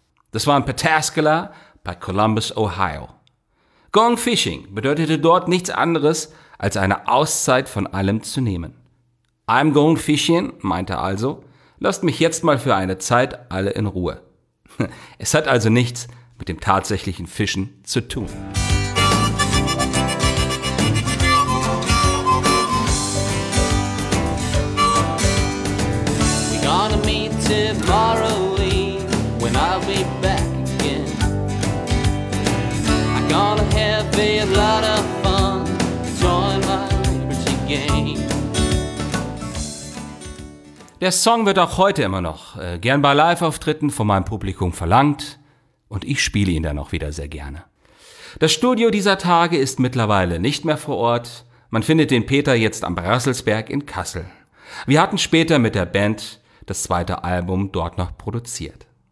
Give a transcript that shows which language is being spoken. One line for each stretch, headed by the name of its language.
German: Das war in Pataskala bei Columbus, Ohio. Going fishing bedeutete dort nichts anderes, als eine Auszeit von allem zu nehmen.
English: I'm going fishing,
German: meinte also, lasst mich jetzt mal für eine Zeit alle in Ruhe. Es hat also nichts mit dem tatsächlichen Fischen zu tun.
English: We're gonna meet tomorrow Eve, when I'll be back again. I'm gonna have a lot of fun, join my liberty game.
German: Der Song wird auch heute immer noch gern bei Live-Auftritten von meinem Publikum verlangt und ich spiele ihn dann auch wieder sehr gerne. Das Studio dieser Tage ist mittlerweile nicht mehr vor Ort. Man findet den Peter jetzt am Rasselsberg in Kassel. Wir hatten später mit der Band das zweite Album dort noch produziert.